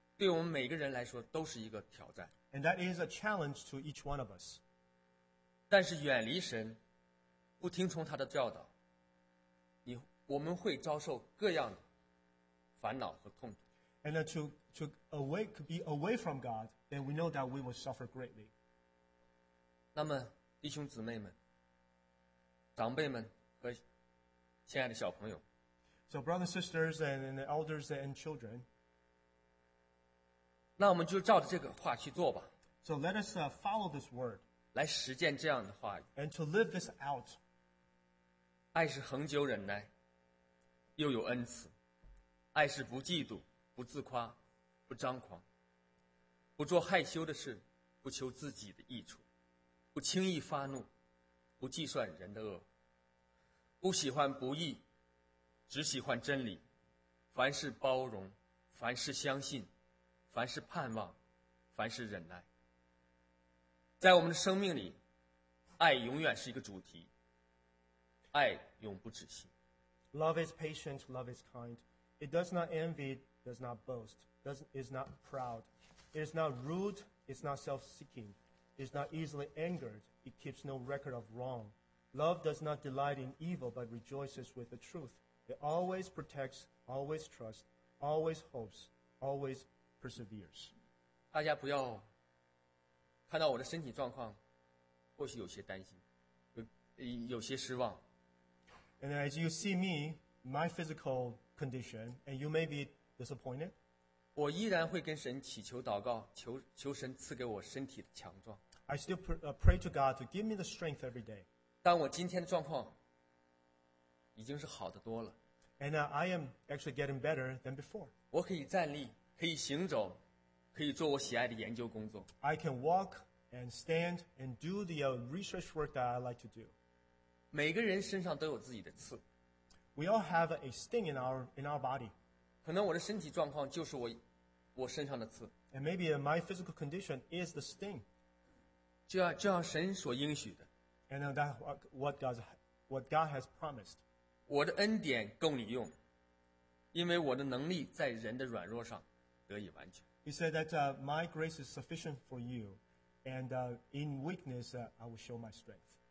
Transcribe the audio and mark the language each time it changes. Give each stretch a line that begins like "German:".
Chinese: 对我们每个人来说都是一个挑战。
English: And that is a challenge to each one of us.
Chinese: 但是远离神不听从他的教导我们会遭受各样的烦恼和痛苦。
English: And to be away from God, then we know that we will suffer greatly.
Chinese: 那么弟兄姊妹们长辈们和亲爱的小朋友
English: So brothers and sisters and the elders and children
Chinese: 那我们就照着这个话去做吧。
English: So let us follow this word
Chinese: 来实践这样的话语。
English: And to live this out
Chinese: 爱是恒久忍耐又有恩慈爱是不嫉妒不自夸不张狂不做害羞的事不求自己的益处不轻易发怒不计算人的恶不喜欢不义只喜欢真理凡事包容凡事相信凡事盼望凡事忍耐在我们的生命里爱永远是一个主题爱永不止息
English: Love is patient, love is kind. It does not envy, does not boast, is not proud. It is not rude, it's not self-seeking. It is not easily angered. It keeps no record of wrong. Love does not delight in evil, but rejoices with the truth. It always protects, always trusts, always hopes, always perseveres.
Chinese: 大家不要看到我的身体状况，或许有些担心，有些失望。
English: And as you see me, my physical condition, and you may be disappointed.
Chinese: 我依然会跟神祈求祷告，求神赐给我身体的强壮。
English: I still pray to God to give me the strength every day.
Chinese: 但我今天的状况已经是好得多了。
English: And I am actually getting better than before.
Chinese: 我可以站立，可以行走，可以做我喜爱的研究工作。
English: I can walk and stand and do the research work that I like to do.
Chinese: 每个人身上都有自己的刺。
English: We all have a sting in our body.
Chinese: 可能我的身体状况就是我身上的刺。
English: And maybe my physical condition is the sting.
Chinese: 就像神所应许的
English: And that's what God has promised
Chinese: 我的恩典够你用因为我的能力在人的软弱上得以完全
English: He said that my grace is sufficient for you And in weakness I will show my strength